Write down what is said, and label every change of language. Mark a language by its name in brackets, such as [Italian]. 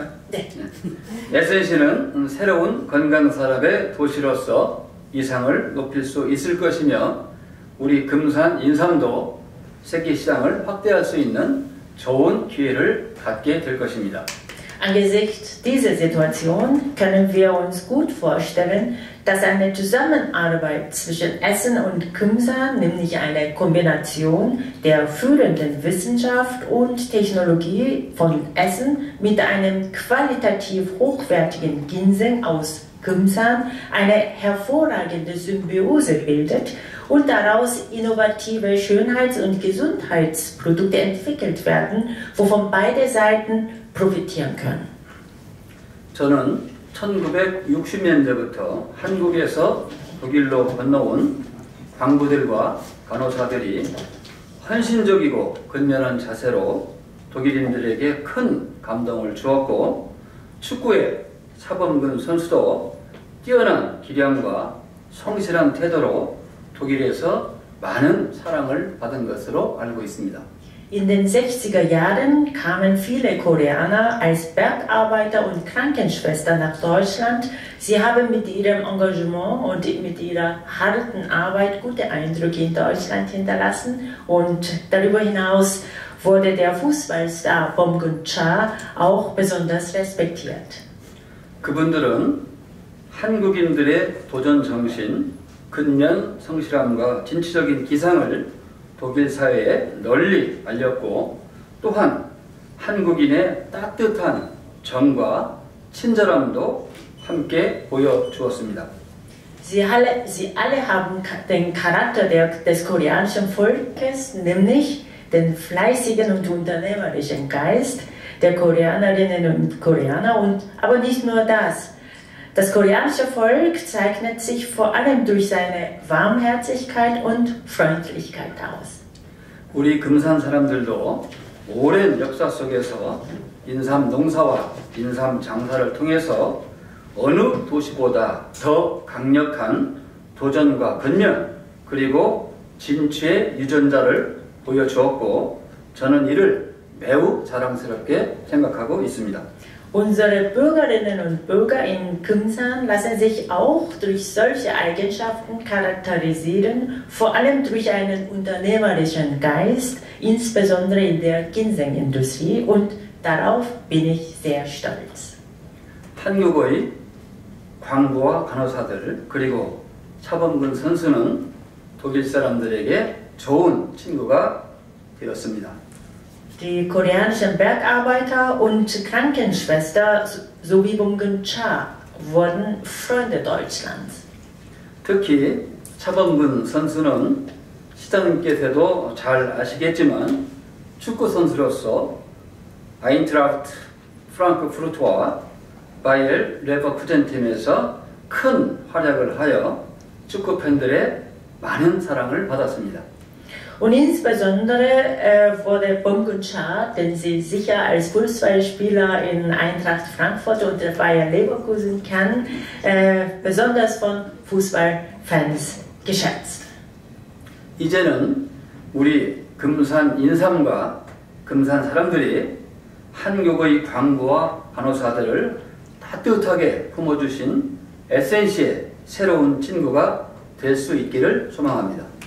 [Korean] 네. SNC는 새로운 건강 산업의 도시로서 위상을 높일 수 있을 것이며 우리 금산 인삼도 세계 시장을 확대할 수 있는 좋은 기회를 갖게 될 것입니다. [German] Angesichts dieser Situation können wir uns gut vorstellen, dass eine Zusammenarbeit zwischen Essen und Kümsa, nämlich eine Kombination der führenden Wissenschaft und Technologie von Essen mit einem qualitativ hochwertigen Ginseng aus Kümsa, eine hervorragende Symbiose bildet und daraus innovative Schönheits- und Gesundheitsprodukte entwickelt werden, wovon beide Seiten profitieren können. [Korean] 저는 1960년대부터 한국에서 독일로 건너온 간부들과 간호사들이 헌신적이고 근면한 자세로 독일인들에게 큰 감동을 주었고 축구의 차범근 선수도 뛰어난 기량과 성실한 태도로 독일에서 많은 사랑을 받은 것으로 알고 있습니다. [German] In den 60er Jahren kamen viele Koreaner als Bergarbeiter und Krankenschwestern nach Deutschland. Sie haben mit ihrem Engagement und mit ihrer harten Arbeit gute Eindrücke in Deutschland hinterlassen. Und darüber hinaus wurde der Fußballstar Bom Gun Cha auch besonders respektiert. [Korean] 그분들은 한국인들의 도전정신, 근면 성실함과 진취적인 기상을 독일 사회에 널리 알렸고 또한 한국인의 따뜻한 정과 친절함도 함께 보여주었습니다. [German] Sie alle haben den Charakter des koreanischen Volkes, nämlich den fleißigen und unternehmerischen Geist der Koreanerinnen und Koreaner. Und, aber nicht nur das. Das koreanische Volk zeichnet sich vor allem durch seine Warmherzigkeit und Freundlichkeit aus. [Korean] 우리 금산 사람들도 오랜 역사 속에서 인삼 농사와 인삼 장사를 통해서 어느 도시보다 더 강력한 도전과 근면 그리고 진취의 유전자를 보여주었고 저는 이를 매우 자랑스럽게 생각하고 있습니다. [German] Unsere Bürgerinnen und Bürger in Kümsan lassen sich auch durch solche Eigenschaften charakterisieren, vor allem durch einen unternehmerischen Geist, insbesondere in der Ginseng-Industrie, und darauf bin ich sehr stolz. [Korean] 한국의 광부와 간호사들 그리고 차범근 선수는 독일 사람들에게 좋은 친구가 되었습니다. [German] Die koreanischen Bergarbeiter und Krankenschwester sowie Bom Gun Cha wurden Freunde Deutschlands. [Korean] 특히 차범근 선수는 시장님께서도 잘 아시겠지만 축구 선수로서 아인트라흐트 프랑크푸르트와 바이에른 레버쿠젠 팀에서 큰 활약을 하여 축구 팬들의 많은 사랑을 받았습니다. [German] Und insbesondere wurde Bom Gun Cha, den Sie sicher als Fußballspieler in Eintracht Frankfurt und der Bayer Leverkusen kennen, besonders von Fußballfans geschätzt. [Korean] 이제는 우리 금산 인삼과 금산 사람들이 한국의 광부와 간호사들을 따뜻하게 품어주신 SNC의 새로운 친구가 될 수 있기를 소망합니다.